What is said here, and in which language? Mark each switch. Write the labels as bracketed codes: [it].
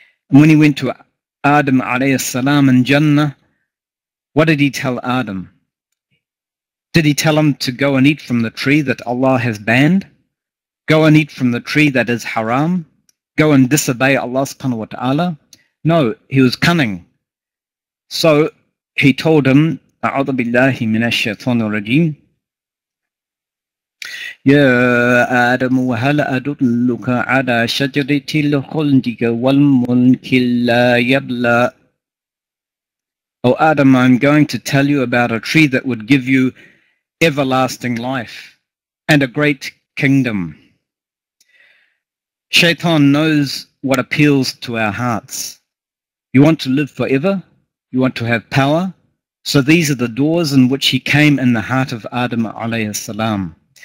[en] And when he went to Adam alayhi salam in Jannah, what did he tell Adam? Did he tell him to go and eat from the tree that Allah has banned? Go and eat from the tree that is haram? Go and disobey Allah subhanahu wa ta'ala? No, he was cunning. So he told him, [ar] أعوذ بالله من الشيطان الرجيم يا آدم وهل أدلك على شجرة الخلد والملك لا يبلى. [en] Oh Adam, I'm going to tell you about a tree that would give you everlasting life and a great kingdom. Shaitan knows what appeals to our hearts. You want to live forever? You want to have power? So these are the doors in which he came in the heart of Adam alayhi salam.